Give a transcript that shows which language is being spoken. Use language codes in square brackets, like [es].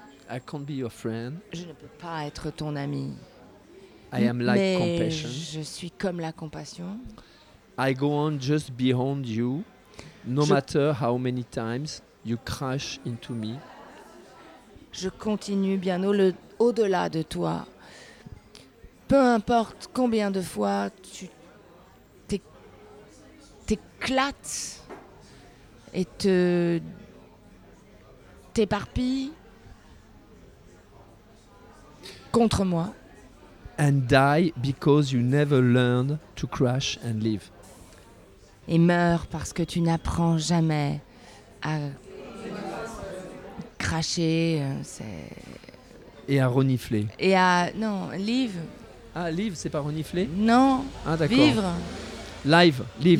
[en] I can't be your friend. [fr] Je ne peux pas être ton ami. [en] I am like [fr] Mais [en] compassion. [fr] Je suis comme la compassion. [en] I go on just behind you, no matter how many times you crash into me. [fr] Je continue bien au-delà de toi. Peu importe combien de fois t'éclates et t'éparpilles contre moi. [en] And die because you never learned to crash and live. [fr] Et meurs parce que tu n'apprends jamais à cracher. Et à renifler. Et à. Non, live. Ah, live, c'est pas renifler ? Non. Ah, d'accord. Vivre. [en] Live, live,